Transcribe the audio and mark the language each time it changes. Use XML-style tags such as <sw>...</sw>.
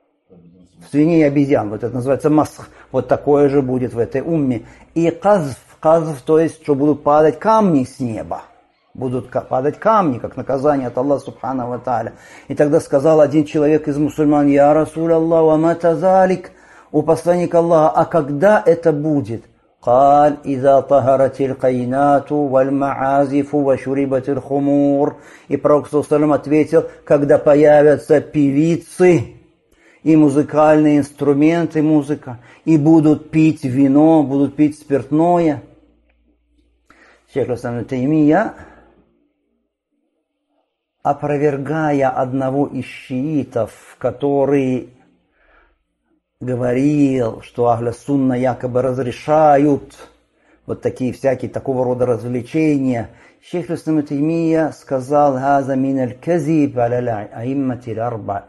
<ru>В свиней и обезьян. Вот это называется масх. Вот такое же будет в этой умме. И казв. Казв, то есть, что будут падать камни с неба. Будут падать камни, как наказание от Аллаха Субхана ва Тааля. И тогда сказал один человек из мусульман:</ru> <ar>«Я Расуль Аллах, ва ма тазалик?»</ar> <ru>У посланника Аллаха: «А когда это будет?»</ru> <ar>قال إذا طهرت القينات والمعازف وشربت الخمور.</ar> <ru>И пророк Саллам ответил: когда появятся певицы и музыкальные инструменты, музыка, и будут пить вино, будут пить спиртное. Шейх Ислам Ибн Таймия, опровергая одного из шиитов, который говорил, что Ахля Сунна якобы разрешают вот такие всякие такого рода развлечения, Шейх Ислам Ибн Таймия сказал:</ru> <ar>«Хаза мин аль-казиб аля аиммати аль-арба».</ar>